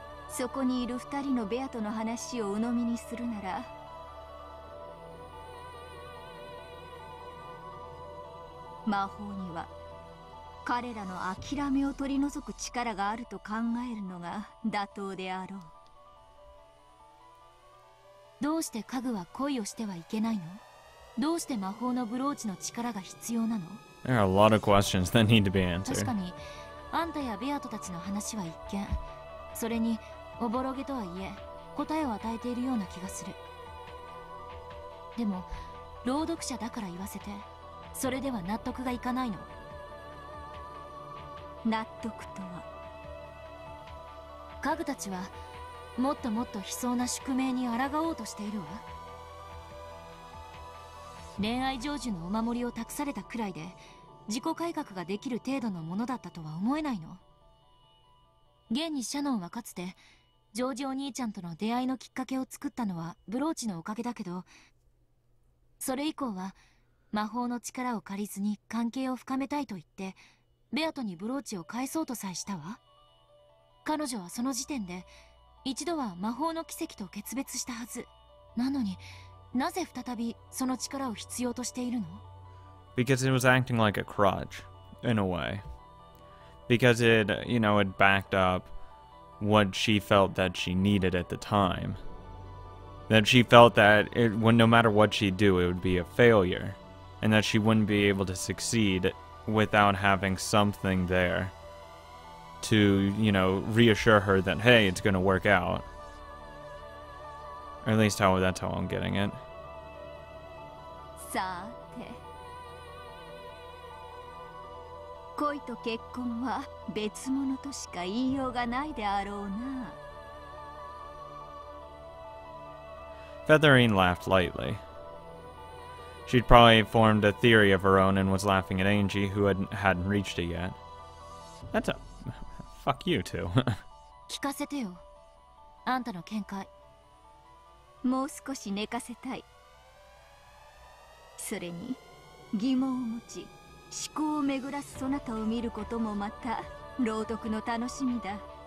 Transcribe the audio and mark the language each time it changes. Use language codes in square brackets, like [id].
[ja] そこにいる二人のベアとの話を鵜呑みにするなら、魔法には彼らの諦めを取り除く力があると考えるのが妥当であろう。どうして家具は恋をしてはいけないの？どうして魔法のブローチの力が必要なの？ [en] There are a lot of questions that need to be answered. [ja] 確かに、あんたやベアトたちの話は一見、それにおぼろげとはいえ、答えを与えているような気がする。でも、朗読者だから言わせて、それでは納得がいかないの。納得とは。家具たちはもっともっと悲壮な宿命に抗おうとしているわ。恋愛成就のお守りを託されたくらいで、自己改革ができる程度のものだったとは思えないの。現にシャノンはかつてジョージお兄ちゃんとの出会いのきっかけを作ったのはブローチのおかげだけど、それ以降は魔法の力を借りずに関係を深めたいと言ってベアトにブローチを返そうとさえしたわ。彼女はその時点で一度は魔法の奇跡と決別したはず。なのになぜ再びその力を必要としているの？ [en] Because it was acting like a crutch, in a way. Because it, you know, it backed up what she felt that she needed at the time. That she felt that it, when, no matter what she'd do, it would be a failure. And that she wouldn't be able to succeed without having something there to, you know, reassure her that, hey, it's gonna work out. At least how, that's how I'm getting it. [ja] さて、恋と結婚は別物としか言いようがないであろうな。 [en] Featherine laughed lightly. She'd probably formed a theory of her own and was laughing at Angie, who hadn't reached it yet. That's a... Fuck you two. [ja] 聞かせてよ、あんたの見解。もう少し寝かせたい。それに疑問を持ち思考を巡らすそなたを見ることもまた朗読の楽しみだ。